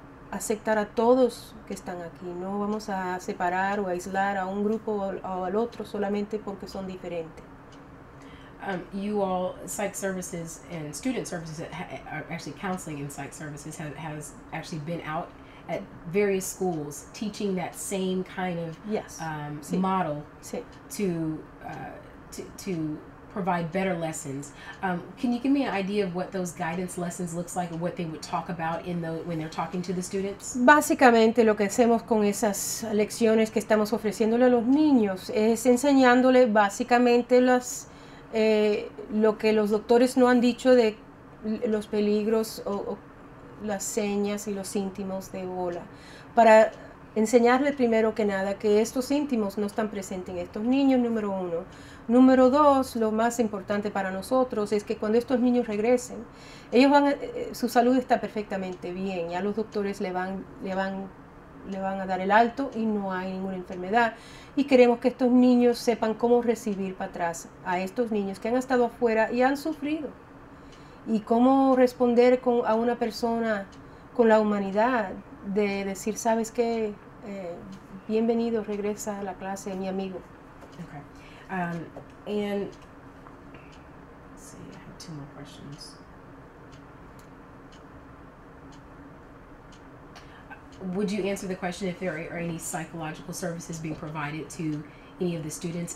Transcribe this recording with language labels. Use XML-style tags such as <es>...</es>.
<es>aceptar a todos que están aquí. No vamos a separar o aislar a un grupo o al otro solamente porque son diferentes.</es> <en>You all, psych services and student services, actually counseling in psych services, has actually been out at various schools teaching that same kind of model to provide better lessons. Can you give me an idea of what those guidance lessons looks like and what they would talk about in the when they're talking to the students?</en> <es>Básicamente lo que hacemos con esas lecciones que estamos ofreciéndole a los niños es enseñándole básicamente las lo que los doctores no han dicho de los peligros o las señas y los íntimos de Ebola, para enseñarle primero que nada que estos íntimos no están presentes en estos niños, número uno. Número dos, lo más importante para nosotros es que cuando estos niños regresen, ellos van a, su salud está perfectamente bien, ya los doctores le van a dar el alto y no hay ninguna enfermedad. Y queremos que estos niños sepan cómo recibir para atrás a estos niños que han estado afuera y han sufrido. Y cómo responder con, a una persona con la humanidad de decir, ¿sabes qué? Bienvenido, regresa a la clase, mi amigo.</es> <en>Okay. And let's see, I have two more questions. Would you answer the question if there are any psychological services being provided to any of the students?</en>